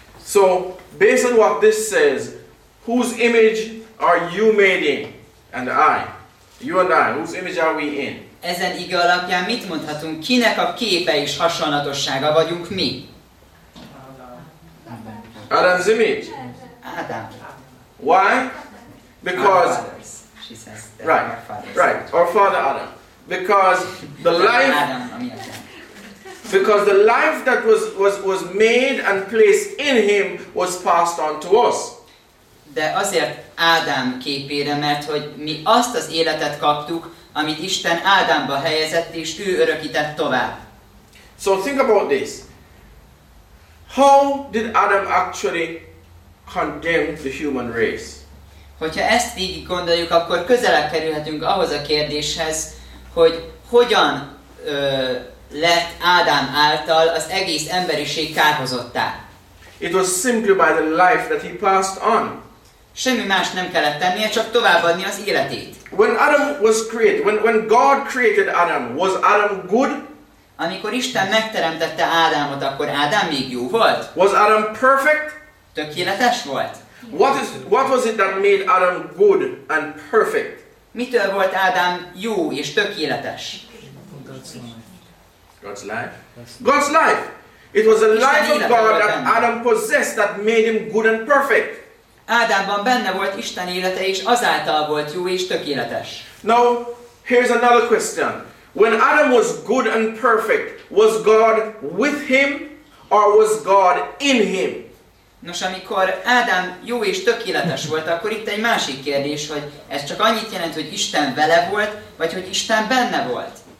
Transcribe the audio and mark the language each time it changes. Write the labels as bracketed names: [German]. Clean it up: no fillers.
[English] So, based on what this says, whose image are you made in? And I. You and I, whose image are we in? [Hungarian] Ezen ige alapján mit mondhatunk, kinek a képe és hasonlatossága vagyunk mi? [English] Adam's image. Adam. Why? Because our fathers, she says, right, our right. Our father Adam. Because the life. Adam, because the life that was made and placed in him was passed on to us. [Hungarian] De azért Ádám képére, mert hogy mi azt az életet kaptuk, amit Isten Ádámba helyezett és ő örökített tovább. [English] So think about this. How did Adam actually condemn the human race? [Hungarian] Hogyha ezt így gondoljuk, akkor közelebb kerülhetünk ahhoz a kérdéshez, hogy hogyan lett Ádám által az egész emberiség kárhozottá. [English] It was simply by the life that he passed on. [Hungarian] Semmi más nem kellett tennie, csak továbbadni az életét. [English] When Adam was created, when God created Adam, was Adam good? [Hungarian] Amikor Isten megteremtette Ádámot, akkor Ádám még jó volt? [English] Was Adam perfect? [Hungarian] Tökéletes volt. [English] What was it that made Adam good and perfect? [Hungarian] Mitől volt Ádám jó és tökéletes? [English] God's life. God's life. It was the life of God that Adam possessed that made him good and perfect. [Hungarian] Ádámban benne volt Isten élete, és azáltal volt jó és tökéletes. [English] Now, here's another question. When Adam was good and perfect, was God with him or was God in him? [Hungarian] Nos, amikor Ádám jó és tökéletes volt, akkor itt egy másik kérdés, hogy ez csak annyit jelent, hogy Isten vele volt, vagy hogy Isten benne volt?